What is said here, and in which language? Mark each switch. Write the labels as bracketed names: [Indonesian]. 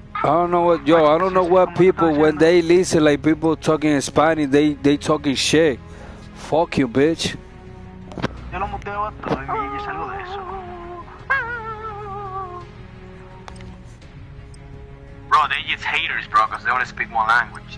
[English] I don't know what people, when they listen, like people talking in Spanish, they talking shit. Fuck you, bitch. [Spanish] Yo lo muteo a todos y salgo de eso. [English] Bro, they just haters, bro, because they only speak one language.